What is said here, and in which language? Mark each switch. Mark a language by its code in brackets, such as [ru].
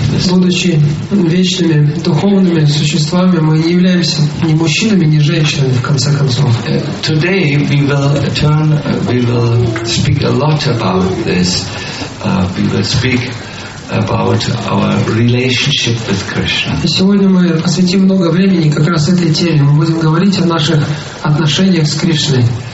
[ru] Будучи вечными духовными существами, мы не являемся ни мужчинами, ни женщинами, в конце концов. [en] Today we will speak a lot about this. We will speak about our relationship with Krishna. [ru] И сегодня мы посвятим много времени как раз этой теме. Мы будем говорить о наших отношениях с Кришной.